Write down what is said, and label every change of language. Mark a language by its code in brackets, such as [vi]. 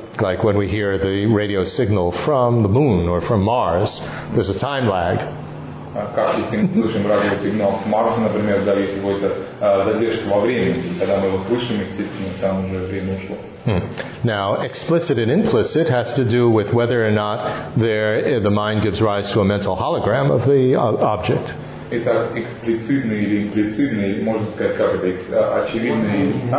[en] Like when we hear the radio signal from the moon or from Mars, there's a time lag. [ru] Как если мы слышим радиосигнал с Марса, например, да, есть какой-то задержка во времени, когда мы его слышим, естественно, там уже время ушло. [en] Now, explicit and implicit has to do with whether or not there the mind gives rise to a mental hologram of the object. [ru] Это эксплицитный или имплицитный, можно сказать, как это, очевидный,